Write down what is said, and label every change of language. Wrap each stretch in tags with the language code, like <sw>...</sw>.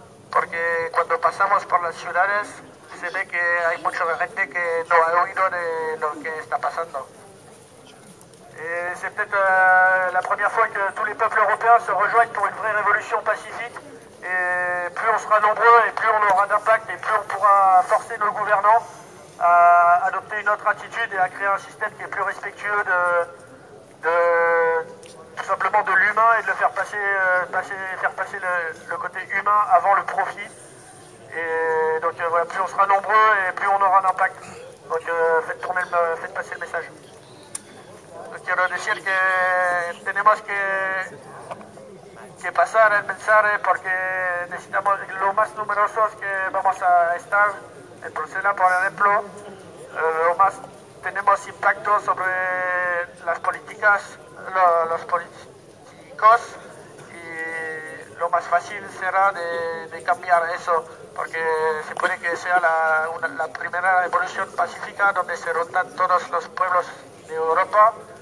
<es>Porque cuando pasamos por las ciudades, se ve que hay mucha gente que no ha oído de lo que está pasando.</es> <fr>C'est peut-être la première fois que tous les peuples européens se rejoignent pour une vraie révolution pacifique. Et plus on sera nombreux, et plus on aura d'impact, et plus on pourra forcer nos gouvernants à adopter une autre attitude et à créer un système qui est plus respectueux de tout simplement de l'humain, et de le faire faire passer le côté humain avant le profit. Et donc, voilà, plus on sera nombreux et plus on aura d'impact. Donc, faites passer le message.</fr> <es>Quiero decir que tenemos que pasar el mensaje porque necesitamos lo más numerosos que vamos a estar en Bruselas, por ejemplo, lo más tenemos impacto sobre las políticas, los políticos, y lo más fácil será de cambiar eso, porque se puede que sea la primera revolución pacífica donde se rotan todos los pueblos de Europa.</es>